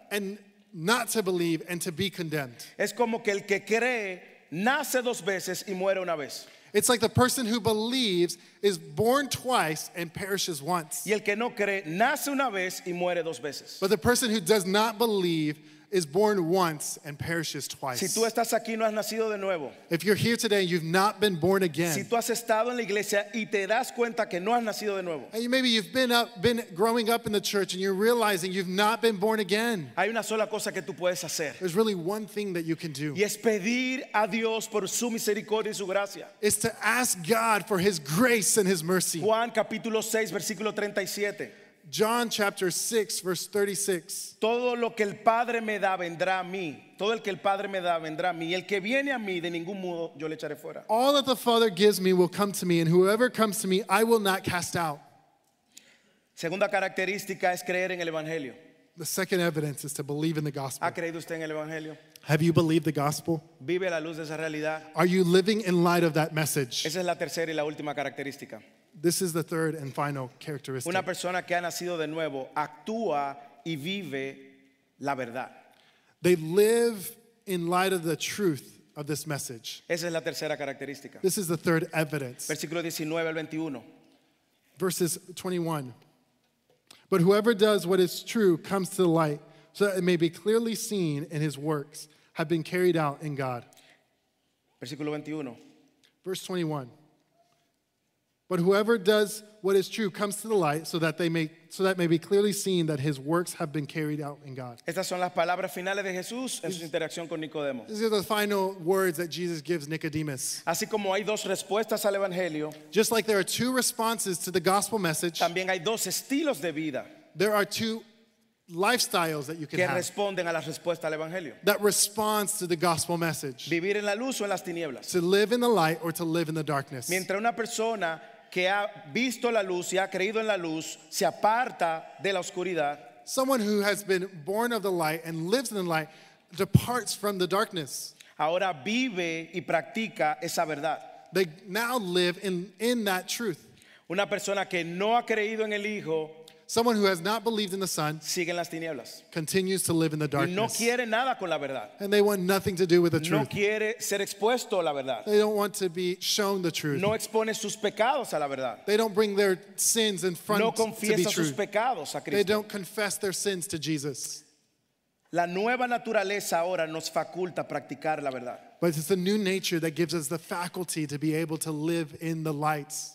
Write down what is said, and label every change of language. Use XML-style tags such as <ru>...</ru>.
<en>And not to believe and to be condemned.</en> <es>Es como que el que cree nace dos veces y muere una vez.</es> <en>It's like the person who believes is born twice and perishes once.</en> <es>Y el que no cree nace una vez y muere dos veces.</es> <en>But the person who does not believe is born once and perishes twice.</en> <es>Si tú estás aquí, no has nacido de nuevo.</es> <en>If you're here today, you've not been born again.</en> <es>Si tú has estado en la iglesia y te das cuenta que no has nacido de nuevo.</es> <en>And maybe you've been growing up in the church and you're realizing you've not been born again.</en> <es>Hay una sola cosa que tú puedes hacer.</es> <en>There's really one thing that you can do.</en> <es>Y es pedir a Dios por su misericordia y su gracia.</es> <en>Is to ask God for his grace and his mercy.</en> <es>Juan capítulo 6 versículo 37.</es> <en>John chapter 6 verse 36.</en> <es>Todo lo que el Padre me da vendrá a mí. Todo el que el Padre me da vendrá a mí. El que viene a mí de ningún modo yo le echaré fuera.</es> <en>All that the Father gives me will come to me, and whoever comes to me I will not cast out.</en> <es>Segunda característica es creer en el evangelio.</es> <en>The second evidence is to believe in the gospel.</en> <es>¿Ha creído usted en el evangelio?</es> <en>Have you believed the gospel?</en> <es>¿Vive a la luz de esa realidad?</es> <en>Are you living in light of that message?</en> <es>Esa es la tercera y la última característica.</es> <en>This is the third and final characteristic.</en> <es>Una persona que ha nacido de nuevo actúa y vive la verdad.</es> <en>They live in light of the truth of this message.</en> <es>Esa es la tercera característica.</es> <en>This is the third evidence.</en> <es>Versículo 19 al 21.</es> <en>Verses 21. But whoever does what is true comes to the light, so that it may be clearly seen in his works have been carried out in God.</en> <es>Versículo 21.</es> <en>Verse 21. But whoever does what is true comes to the light, so that may be clearly seen that his works have been carried out in God.</en> <es>Estas son las palabras finales de Jesús en su interacción con Nicodemo.</es> <en>These are the final words that Jesus gives Nicodemus.</en> <es>Así como hay dos respuestas al evangelio,</es> <en>just like there are two responses to the gospel message,</en> <es>también hay dos estilos de vida.</es> <en>There are two lifestyles that you can</en> <es>que</es> <en>have</en> <es>responden a la respuesta al evangelio.</es> <en>That responds to the gospel message.</en> <es>Vivir en la luz o en las tinieblas.</es> <en>To live in the light or to live in the darkness.</en> <es>Mientras una persona que ha visto la luz y ha creído en la luz se aparta de la oscuridad.</es> <en>Someone who has been born of the light and lives in the light departs from the darkness.</en> <es>Ahora vive y practica esa verdad.</es> <en>They now live in that truth.</en> <es>Una persona que no ha creído en el Hijo,</es> <en>someone who has not believed in the Son,</en> <es>sigue en las tinieblas,</es> <en>continues to live in the darkness.</en> <es>No quiere nada con la verdad.</es> <en>And they want nothing to do with the truth.</en> <es>No quiere ser expuesto a la verdad.</es> <en>They don't want to be shown the truth.</en> <es>No expone sus pecados a la verdad.</es> <en>They don't bring their sins in front</en> <es>no confiesa</es> <en>to be true.</en> <es>Sus pecados a Cristo.</es> <en>They don't confess their sins to Jesus.</en> <es>La nueva naturaleza ahora nos faculta practicar la verdad.</es> <en>But it's the new nature that gives us the faculty to be able to live in the lights.</en>